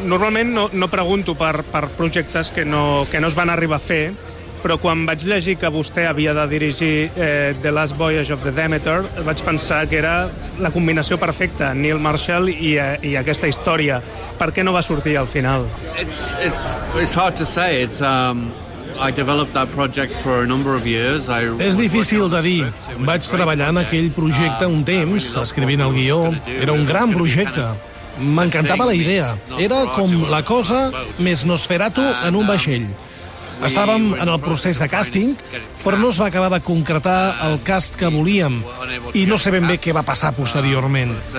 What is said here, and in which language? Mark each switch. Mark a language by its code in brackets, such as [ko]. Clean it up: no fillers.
[ca] Normalment no pregunto per projectes que no es van arribar a fer, però quan vaig llegir que vostè havia de dirigir The Last Voyage of the Demeter, vaig pensar que era la combinació perfecta, Neil Marshall i aquesta història. Per què no va sortir al final? [en] It's hard to say. I developed that project for a number of years. [ca] És difícil de dir. Vaig treballar en aquell projecte un temps, escrivint el guió. Era un gran projecte. M'encantava la idea. Era com la cosa més Nosferatu en un vaixell. Estàvem en el procés de càsting, però no es va acabar de concretar el cast que volíem i no sé ben bé què va passar posteriorment.